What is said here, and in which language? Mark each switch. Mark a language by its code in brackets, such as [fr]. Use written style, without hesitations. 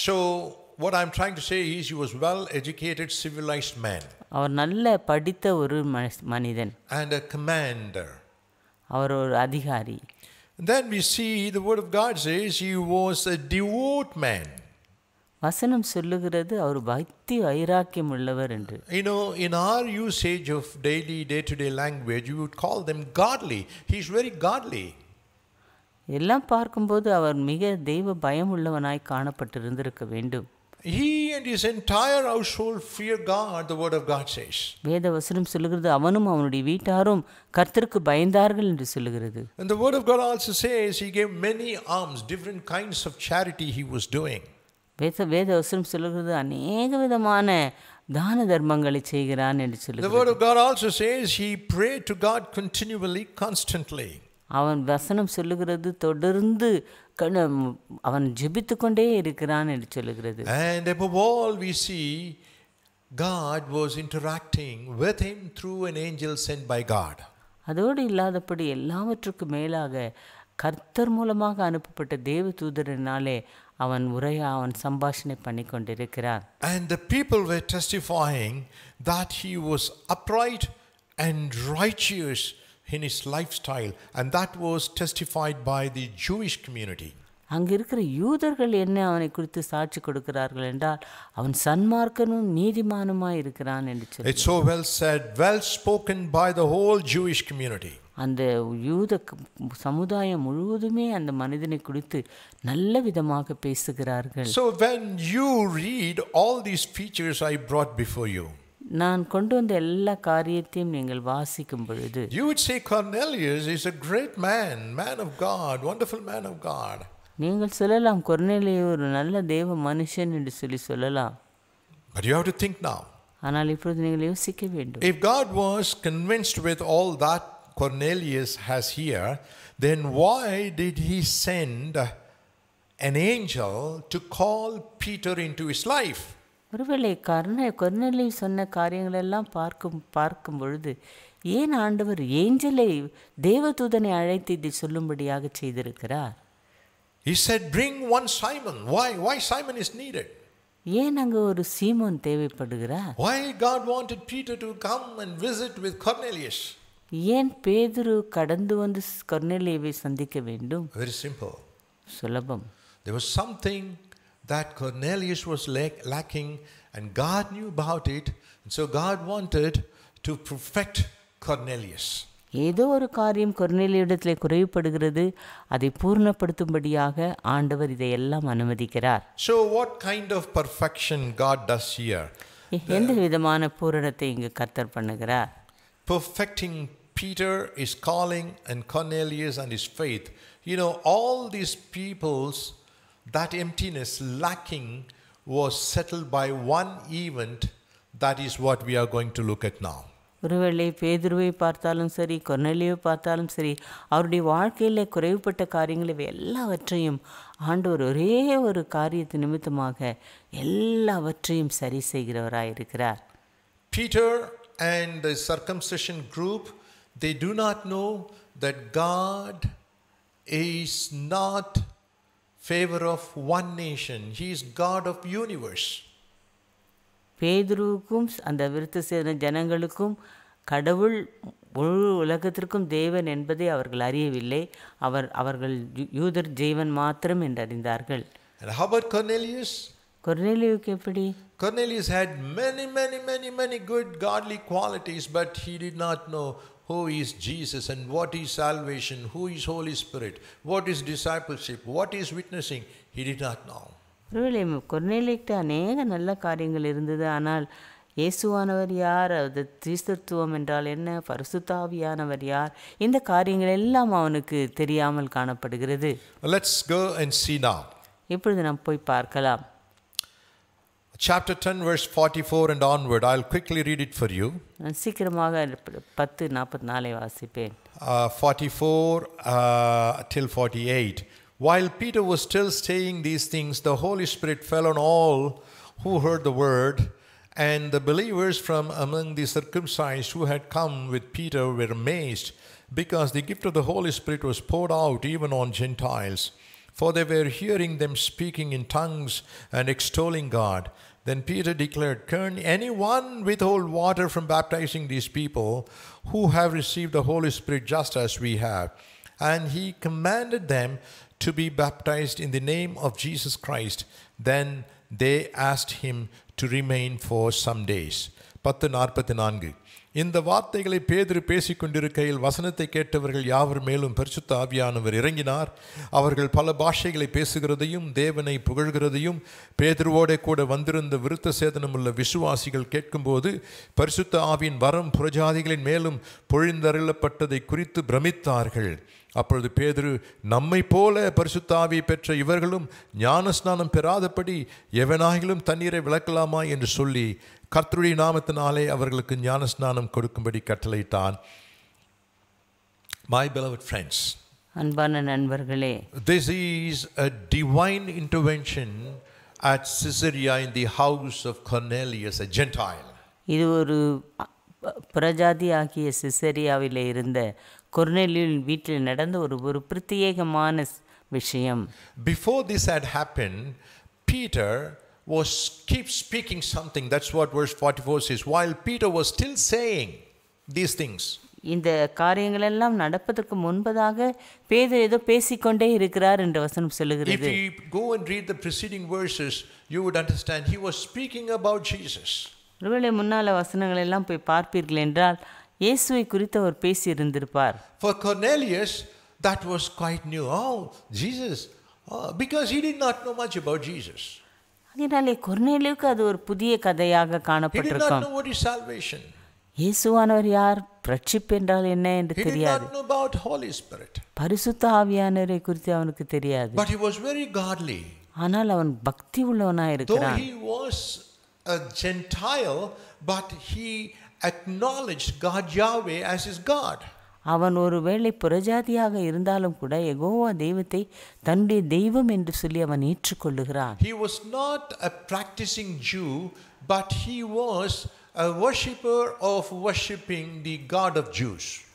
[en] So what I'm trying to say is, he was well educated civilized man. [ta] அவர் நல்ல படித்த ஒரு மனிதன். [en] And a commander. [ta] அவர் ஒரு அதிகாரி. [en] Then we see the word of God says he was a devout man. [ta] வசனம் சொல்லுகிறது அவர் பக்தி வைராக்கியம் உள்ளவர் என்று. [en] You know, in our usage of daily day-to-day language, we would call them godly. He is very godly. [ta] எல்லாம் பார்க்கும்போது அவர் மிக தெய்வ பயம் உள்ளவனாய் காணப்பட்டிருந்திருக்க வேண்டும். [en] He and his entire household fear God, the word of God says. [ta] வேத வசனம் சொல்லுகிறது அவனும் அவனுடைய வீட்டாரும் கர்த்தருக்கு பயந்தார்கள் என்று சொல்லுகிறது. [en] And the word of God also says he gave many alms, different kinds of charity he was doing. [ta] வேத வசனம் சொல்லுகிறது அநேக விதமான தான தர்மங்களை செய்கிறான் என்று சொல்லுகிறது. [en] The word of God also says he prayed to God continually, constantly. [ta] அவன் வசனம் சொல்லுகிறது தொடர்ந்து அவன் ஜெபித்து கொண்டே இருக்கிறான் என்று சொல்லுகிறது. [en] And above all we see God was interacting with him through an angel sent by God. [ta] அதோடு இல்லாதபடி எல்லாவற்றுக்கும் மேலாக கர்த்தர் மூலமாக அனுப்பப்பட்ட தேவ தூதரனாலே அவன் உரைய அவன் சம்பாஷணை பண்ணி கொண்டிருக்கிறான். [en] And the people were testifying that he was upright and righteous in his lifestyle, and that was testified by the Jewish community. [ta] அங்க இருக்கிற யூதர்கள் என்ன அவனை குறித்து சாட்சி கொடுக்கிறார்கள் என்றால் அவன் சன்மார்க்கனும் நீதிமானுமாய் இருக்கிறான் என்று சொல்றாங்க. [en] It's so well said, well spoken by the whole Jewish community. [ta] அந்த யூத சமுதாயம் முழுவதுமே அந்த மனிதனை குறித்து நல்ல விதமாக பேசுகிறார்கள். [en] So when you read all these features I brought before you, [ta] நான் கொண்டு வந்த எல்லா காரியத்தையும் நீங்கள் வாசிக்கும் பொழுது, [en] you would say Cornelius is a great man, man of God, wonderful man of God. [ta] நீங்கள் சொல்லலாம் கொர்னேலியு ஒரு நல்ல தேவ மனுஷன் என்று சொல்லி சொல்லலாம். [en] But you have to think now. [ta] ஆனால் இப்பொழுது நீங்கள் யோசிக்க வேண்டும். [en] If God was convinced with all that Cornelius has here, then why did he send an angel to call Peter into his life? [ta] ஒருவேளை கொர்னேலியு சொன்ன காரியங்கள் எல்லாம் பார்க்கும் பொழுது ஏன் ஆண்டவர் ஏஞ்சலை தேவ தூதனை அழைத்து இதை சொல்லும்படியாக செய்திருக்கிறார்? [en] He said, bring one Simon. Why Simon is needed? [ta] ஏன் அங்கு ஒரு சீமோன் தேவைப்படுகிறார்? [en] Why God wanted Peter to come and visit with Cornelius? [ta] ஏன் பேதுரு கடந்து வந்து கொர்னேலியுவை சந்திக்க வேண்டும்? [en] Very simple. [ta] சுலபம். [en] There was something that Cornelius was lacking and God knew about it, and so God wanted to perfect Cornelius. [ta] ஏதோ ஒரு காரியம் கொர்னேலியுவிடத்திலே குறைவுபடுகிறது, அதை பூர்ணப்படுத்தும்படியாக ஆண்டவர் இதையெல்லாம் அனுமதிக்கிறார். [en] So what kind of perfection God does here? [ta] எந்த விதமான பூரணத்தை இங்கு கர்த்தர் பண்ணுகிறார்? [en] Perfecting Peter, his calling, and Cornelius and his faith. You know, all these people's that emptiness, lacking, was settled by one event. That is what we are going to look at now. [ta] ஒருவேளை பேதுருவை பார்த்தாலும் சரி கொர்னேலியுவை பார்த்தாலும் சரி அவருடைய வாழ்க்கையில் குறைவுபட்ட காரியங்கள் இவை எல்லாவற்றையும் ஆண்டவர் ஒரே ஒரு காரியத்து நிமித்தமாக எல்லாவற்றையும் சரி செய்கிறவராக இருக்கிறார். [en] Peter and the circumcision group, they do not know that God is not favor of one nation. He is God of universe. [ta] பேதுருவுக்கும் அந்த விருத்த சேர்ந்த ஜனங்களுக்கும் கடவுள் முழு உலகத்திற்கும் தேவன் என்பதை அவர்கள் அறியவில்லை. அவர்கள் யூதர் ஜெய்வன் மாத்திரம் என்று அறிந்தார்கள். [en] And how about Cornelius? [ta] கொர்னேலியுக்கு எப்படி? [en] Cornelius had many, many, many, many good godly qualities, but he did not know who is Jesus and what is salvation, who is Holy Spirit, what is discipleship, what is witnessing. He did not know. [ta] ஒருவேளை கொர்னேலியுக்கு அநேக நல்ல காரியங்கள் இருந்தது, ஆனால் இயேசுவானவர் யார், அது கிறிஸ்தத்துவம் என்றால் என்ன, பரிசுத்தாவியானவர் யார், இந்த காரியங்கள் எல்லாம் அவனுக்கு தெரியாமல் காணப்படுகிறது. [en] Let's go and see now. [ta] இப்பொழுது நாம் போய் பார்க்கலாம். [en] Chapter 10 verse 44 and onward, I'll quickly read it for you. [ta] நான் சீக்கிரமாக 10:44 வாசிப்பேன். [en] 44 till 48. While Peter was still saying these things, the Holy Spirit fell on all who heard the word, and the believers from among the circumcised who had come with Peter were amazed, because the gift of the Holy Spirit was poured out even on Gentiles, for they were hearing them speaking in tongues and extolling God. Then Peter declared, "Can anyone withhold water from baptizing these people who have received the Holy Spirit just as we have?" And he commanded them to be baptized in the name of Jesus Christ. Then they asked him to remain for some days. 10:44. [ta] இந்த வார்த்தைகளை பேதுரு பேசிக் கொண்டிருக்கையில் வசனத்தை கேட்டவர்கள் யாவர் மேலும் பரிசுத்த ஆவியானவர் இறங்கினார். அவர்கள் பல பாஷைகளை பேசுகிறதையும் தேவனை புகழ்கிறதையும் பேதுருவோடே கூட வந்திருந்த விருத்த சேதனமுள்ள விசுவாசிகள் கேட்கும்போது பரிசுத்த ஆவியின் வரம் புறஜாதிகளின் மேலும் பொழிந்தருளப்பட்டதை குறித்து பிரமித்தார்கள். அப்பொழுது பேதுரு, "நம்மை போல பரிசுத்த ஆவியை பெற்ற இவர்களும் ஞானஸ்நானம் பெறாதபடி எவனாயிலும் தண்ணீரை விளக்கலாமா?" என்று சொல்லி கர்த்தருடைய நாமத்தினாலே அவர்களுக்கு ஞானஸ்நானம் கொடுக்கும்படி கட்டளையிட்டான். [en] My beloved friends, [ta] அன்பான நண்பர்களே, [en] this is a divine intervention at Caesarea in the house of Cornelius, a Gentile. [ta] இது ஒரு பிரஜாதி ஆகிய சிசரியாவில் இருந்த கொர்னேலியின் வீட்டில் நடந்த ஒரு பிரத்யேகமான விஷயம். [en] Before this had happened, Peter was keep speaking something. That's what verse 44 says. While Peter was still saying these things, [ta] இந்த காரியங்கள் எல்லாம் நடப்பதற்கு முன்பதாக பேதுரு ஏதோ பேசிக்கொண்டே இருக்கிறார் என்ற வசனம் சொல்கிறது. [en] If you go and read the preceding verses, you would understand he was speaking about Jesus. [ta] ஒருவேளை முன்னால வசனங்கள் எல்லாம் போய் பார்ப்பீர்கள் என்றால் இயேசுவை குறித்து அவர் பேசி இருந்திருப்பார். [en] For Cornelius, that was quite new. Oh, Jesus. Because he did not know much about Jesus. [ta] அதனாலே கொர்னேலியுக்கு அது ஒரு புதிய கதையாக காணப்பட்டிருக்கும். [en] He did not know what is salvation. [ta] இயேசுவானவர் யார், ரட்சிப்பு என்றால் என்ன என்று தெரியாது. [en] He did not know about Holy Spirit. [ta] பரிசுத்த ஆவியானவரை குறித்து அவனுக்கு தெரியாது. [en] But he was very godly. [ta] ஆனால் அவன் பக்தி உள்ளவனாக இருக்கிறான். [en] Though he was a Gentile, but he acknowledged God Yahweh as his God. [ta] அவன் ஒருவேளை புறஜாதியாக இருந்தாலும் கூட யெகோவா தெய்வத்தை தன்னுடைய தெய்வம் என்று சொல்லி அவன் ஏற்றுக்கொள்ளுகிறான். [en] He was not a practicing Jew, but he was a worshipper of worshipping the God of Jews.